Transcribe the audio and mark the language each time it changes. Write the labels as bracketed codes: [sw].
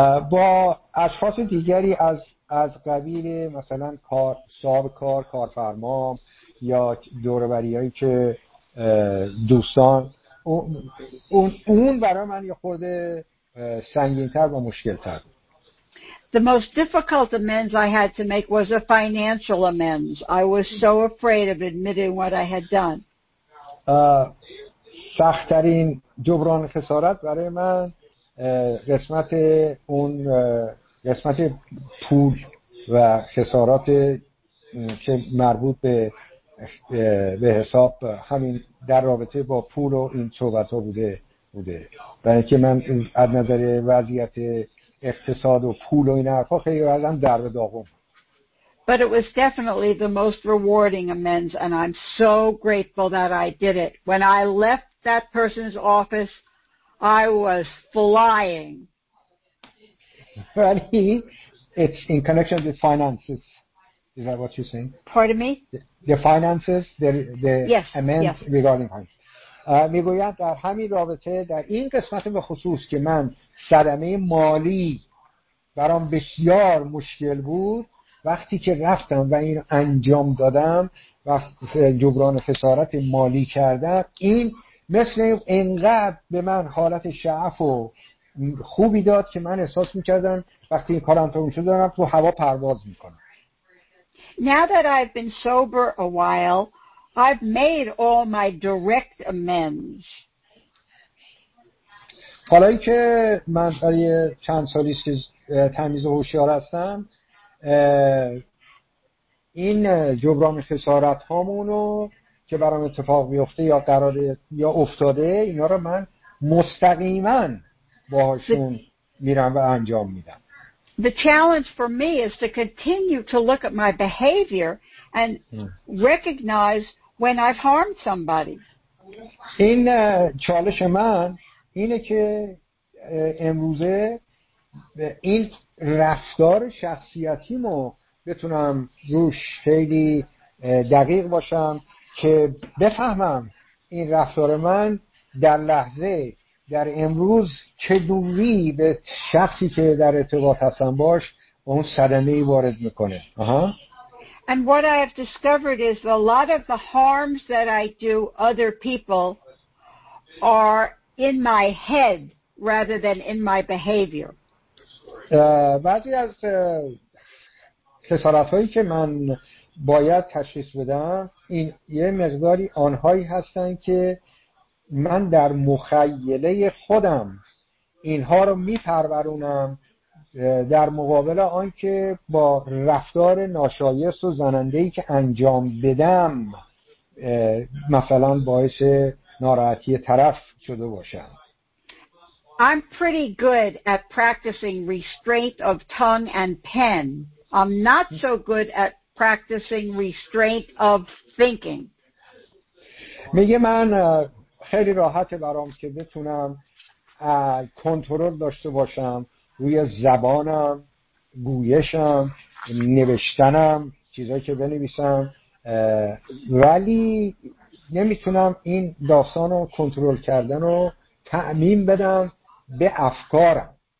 [fa] با اشخاص دیگری از قبیل مثلا کار صاحب کار کارفرما یا دوربریایی که دوستان اون برای من یه خورده سنگین‌تر و مشکل‌تر. [en] The most difficult amends I had to make was a financial amends. I was so afraid of admitting what I had done. [fa] سخت‌ترین جبران خسارت برای من قسمت اون قسمت پول و خسارات که مربوط به حساب همین در رابطه با پول و این صحبت‌ها بوده. برای که من از نظر وضعیت اقتصاد و پول و این حرفا خیلی بعدن در داغم. [en] But it was definitely the most rewarding amends, and I'm so grateful that I did it. When I left that person's office, I was flying. Really? It's in connection with finances. Is that what you're saying? Pardon me? The finances, the yes, amends, yes. Regarding finances. [fa] میگویند در همین رابطه در این قسمت به خصوص که من صدمه مالی برام بسیار مشکل بود، وقتی که رفتم و این انجام دادم و جبران خسارت مالی کردم، این مثل اینقدر به من حالت شعف و خوبی داد که من احساس میکردم وقتی این کار انجام میشد دارم تو هوا پرواز میکنم. [en] Now that I've been sober a while, I've made all my direct amends. [fa] حالا که من برای چند سالی که تمیز و هوشیار هستم، این جبران خسارت هامونو که برام اتفاق بیفته یا قراره یا افتاده، اینا رو من مستقیما باهاشون میرم و انجام میدم. [en] The challenge for me is to continue to look at my behavior and recognize when I've harmed somebody. [fa] این چالش من اینه که امروزه این رفتار شخصیتیمو بتونم روش خیلی دقیق باشم که بفهمم این رفتار من در لحظه در امروز چه دوری به شخصی که در ارتباط هستم باش اون صدمه‌ای وارد میکنه. [en] And what I have discovered is a lot of the harms that I do other people are in my head rather than in my behavior. [fa] بعضی از خسارت‌هایی که من باید تشخیص بدم، این یه مقداری آنهایی هستن که من در مخیله خودم اینها رو می‌پرورونم در مقابل آن که با رفتار ناشایست و زننده‌ای که انجام بدم مثلا باعث ناراحتی طرف شده باشم. [en] I'm pretty good at practicing restraint of tongue and pen. I'm not so good at practicing restraint of thinking. [fa] میگه من خیلی راحته برام که بتونم کنترل داشته باشم روی زبانم، گویشم، نوشتنم، چیزایی که بنویسم، ولی نمیتونم این داستان رو کنترل کردن رو تعمیم بدم به افکارم.